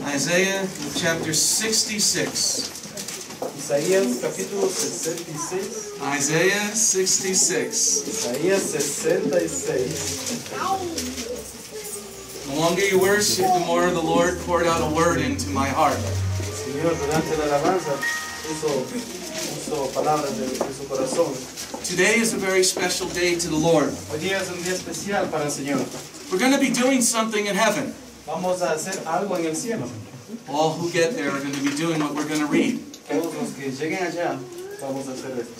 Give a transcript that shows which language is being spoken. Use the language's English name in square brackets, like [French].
[English] Isaiah, chapter 66. [Spanish] Isaías, capítulo 66. [English] Isaiah 66. [Spanish] Isaías 66. [English] The longer you worship, the more the Lord poured out a word into my heart. [Spanish] Señor, durante la alabanza, puso palabras en su corazón. [English] Today is a very special day to the Lord. [Spanish] Hoy día es un día especial para el Señor. [English] We're going to be doing something in heaven. [Spanish] Vamos a hacer algo en el cielo. [English] All who get there are going to be doing what we're going to read. [Spanish] Todos los que lleguen allá, vamos a hacer esto.